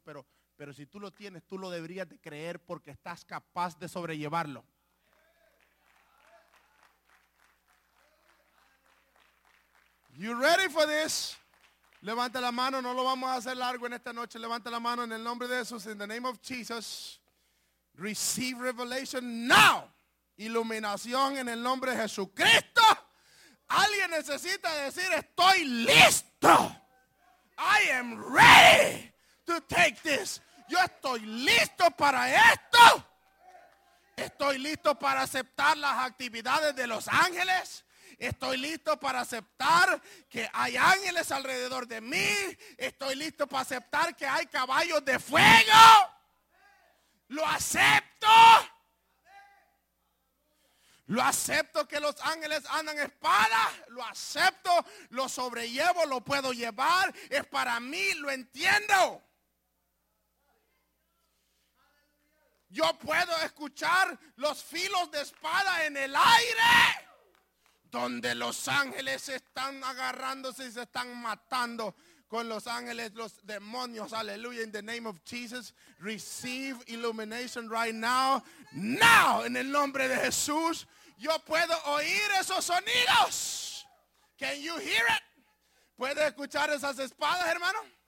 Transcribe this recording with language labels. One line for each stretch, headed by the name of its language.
Spanish: Pero si tú lo tienes, tú lo deberías de creer porque estás capaz de sobrellevarlo.
English: You ready for this?
Spanish: Levanta la mano, no lo vamos a hacer largo en esta noche. Levanta la mano en el nombre de Jesús,
English: in the name of Jesus. Receive revelation now.
Spanish: Iluminación en el nombre de Jesucristo. Alguien necesita decir, estoy listo.
English: I am ready. to take this.
Spanish: Yo estoy listo para esto. Estoy listo para aceptar las actividades de los ángeles. Estoy listo para aceptar que hay ángeles alrededor de mí. Estoy listo para aceptar que hay caballos de fuego. Lo acepto. Lo acepto que los ángeles andan espadas. Lo acepto. Lo sobrellevo. Lo puedo llevar. Es para mí. Lo entiendo. Yo puedo escuchar los filos de espada en el aire. Donde los ángeles están agarrándose y se están matando con los ángeles, los demonios. Aleluya.
English: In the name of Jesus, receive illumination right now.
Spanish: Now, en el nombre de Jesús, yo puedo oír esos sonidos.
English: Can you hear it?
Spanish: ¿Puede escuchar esas espadas, hermano?